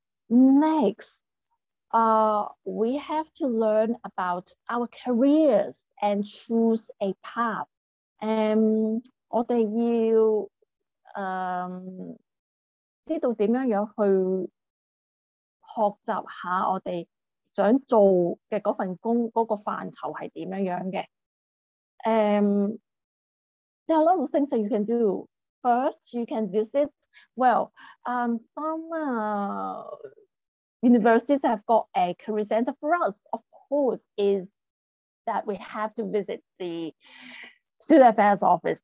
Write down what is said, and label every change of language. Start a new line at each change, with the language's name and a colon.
English: Next. We have to learn about our careers and choose a path. We need to know how to learn our
Chinese: 想做的那份工作那個範疇是怎樣的。
English: There are a lot of things that you can do. First, you can visit, well, some universities have got a career center for us. Of course, is that we have to visit the student affairs office.